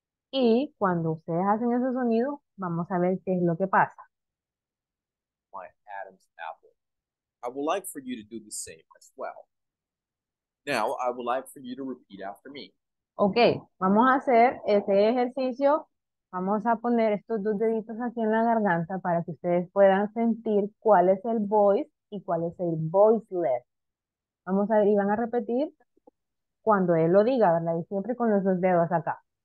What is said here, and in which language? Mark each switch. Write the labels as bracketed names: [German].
[Spanish] Y cuando ustedes hacen esos sonidos, vamos a ver qué es lo que pasa. [English] My Adam's apple. I would like for you to do the same as well. Now, I would like for you to repeat after me. [Spanish] Ok, vamos a hacer este ejercicio. Vamos a poner estos dos deditos aquí en la garganta para que ustedes puedan sentir cuál es el voice y cuál es el voiceless. Vamos a ver, y van a repetir cuando él lo diga, ¿verdad? Y siempre con los dos dedos acá.